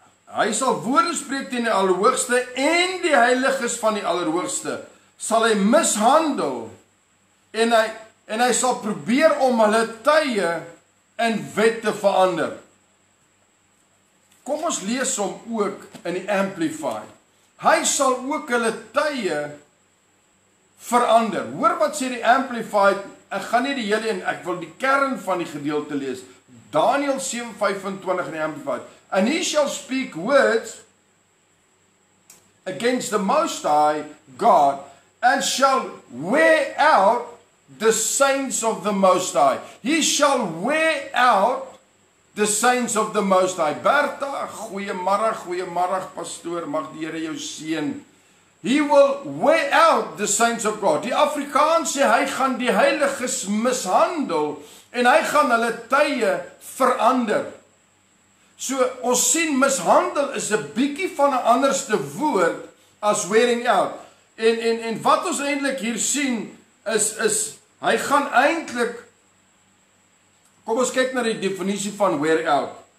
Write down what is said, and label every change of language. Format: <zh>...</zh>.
<af>Hy sal woorde spreek teen die Allerhoogste en die heiliges van die Allerhoogste sal hy mishandel en hy sal probeer om hulle tye en wet te verander. Kom ons lees hom ook in die Amplified. Hy sal ook hulle tye verander. Hoor wat sê die Amplified, ek gaan nie die hele en ek wil die kern van die gedeelte lees. Daniël 7:25 in die Amplified.</af> <en>And he shall speak words against the Most High God and shall wear out the saints of the Most High. He shall wear out the saints of the Most High.</en> <af>Bertha, goeiemôre, pastoor, mag die Here jou seën.</af> <en>He will wear out the saints of God.</en> <af>Die Afrikaans sê, hy gaan die heiliges mishandel, en hy gaan hulle tye verander. So, ons sien, mishandel is een bykie van een anderste woord, as wearing out. En wat ons eindelijk hier sien, is hy gaan eindelijk, kom ons kyk na die definisie van wear out.</af>